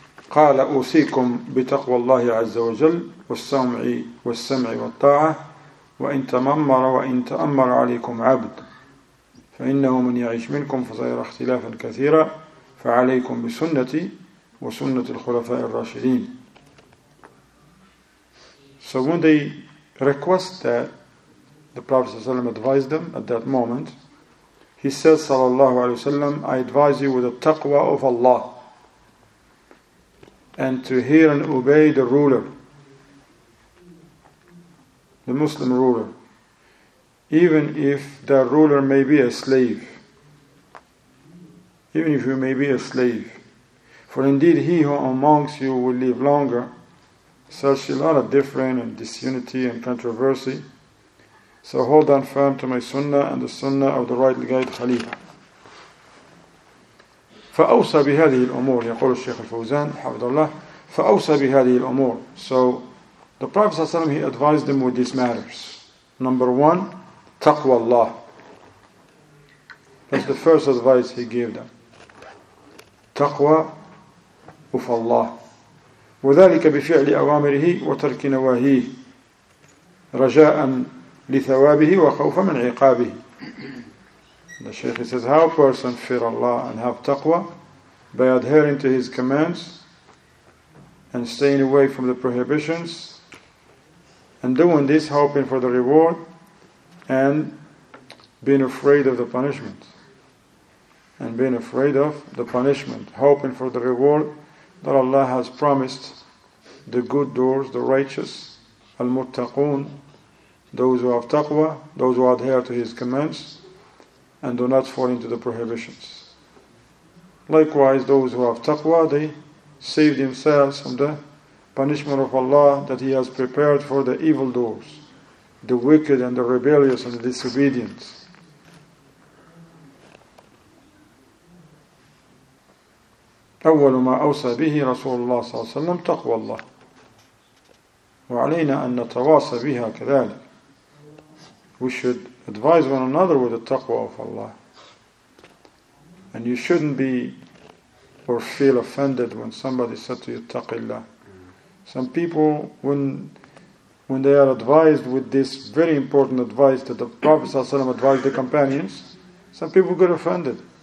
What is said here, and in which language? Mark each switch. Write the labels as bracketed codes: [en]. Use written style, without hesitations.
[ar] قال أوصيكم بتقوى الله عز وجل والسمع والطاعة وإن تمر وإن تأمر عليكم عبد فإنه من يعيش منكم فسيرى اختلافا كثيرا فعليكم بسنتي وسنة الخلفاء الراشدين. [en] So when they request that the Prophet [ar] صلى الله عليه وسلم [en] advised them at that moment, he said صلى الله عليه وسلم, I advise you with the taqwa of Allah, and to hear and obey the ruler, the Muslim ruler, even if that ruler may be a slave, even if you may be a slave. For indeed he who amongst you will live longer, such a lot of different and disunity and controversy. So hold on firm to my sunnah and the sunnah of the right guide Khalifa. [ar] فأوصى بهذه الأمور يقول الشيخ الفوزان حفظ الله فأوصى بهذه الأمور. [en] So the Prophet [ar] صلى الله عليه وسلم, [en] he advised them with these matters. Number one, [ar] تقوى الله. [en] That's the first advice he gave them. تقوى of Allah. [ar] وذلك بفعل أوامره وترك نواهيه رجاء لثوابه وخوفا من عقابه. [en] The Shaykh says, how a person fear Allah and have taqwa by adhering to His commands and staying away from the prohibitions and doing this hoping for the reward and being afraid of the punishment. And being afraid of the punishment, hoping for the reward that Allah has promised the good doors, the righteous, al-muttaqoon, those who have taqwa, those who adhere to His commands and do not fall into the prohibitions. Likewise, those who have taqwa, they save themselves from the punishment of Allah that He has prepared for the evildoers, the wicked and the rebellious and the disobedient. [ar] أول ما أوصى به رسول الله صلى الله عليه وسلم تقوى الله، وعلينا أن نتواصى بها كذلك. [en] We should advise one another with the taqwa of Allah. And you shouldn't be or feel offended when somebody said to you, taqillah. Some people, when they are advised with this very important advice that the Prophet ﷺ advised the companions, some people get offended.